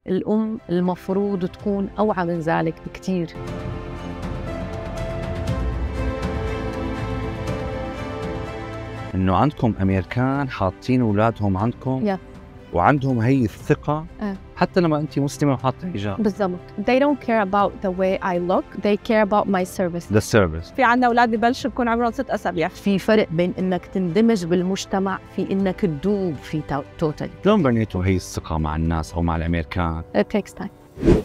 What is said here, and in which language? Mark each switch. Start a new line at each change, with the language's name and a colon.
Arabic: الأم المفروض تكون أوعى من ذلك بكتير. إنه عندكم أمريكان حاطين أولادهم عندكم yeah. وعندهم هي الثقة حتى لما أنت مسلمة وحاطة حجاب. بالضبط.
English: They don't care about the way I look. They care about my service. The service.
Arabic: في عنا أولاد ببلش يكون عمرهم 6 أسابيع. في فرق بين إنك تندمج بالمجتمع في إنك تدوب في توتال. لون بنيتوا هي الثقة مع الناس أو مع الأمريكان؟
English: It takes time.